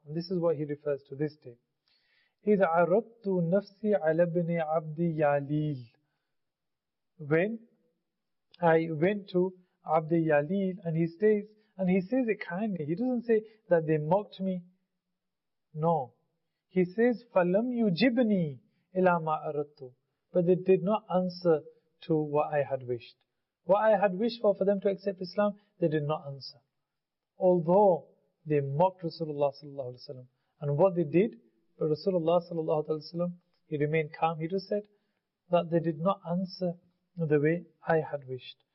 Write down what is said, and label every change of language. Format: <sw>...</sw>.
<en>And this is what he refers to this day.</en> <ar>إِذْ عَرَضْتُ نَفْسِي عَلَى بْنِ عَبْدِ يَعْلِيلِ.</ar> <en>When I went to Abdi Yalil, and he says, it kindly. He doesn't say that they mocked me. No. He says,</en> <ar>فَلَمْ يُجِبْنِي إِلَى مَا أَرَدْتُ.</ar> <en>But they did not answer to what I had wished. What I had wished for them to accept Islam, they did not answer. Although they mocked Rasulullah sallallahu alayhi wa sallam. And what they did, but Rasulullah sallallahu alayhi wa sallam, he remained calm. He just said that they did not answer the way I had wished.</en>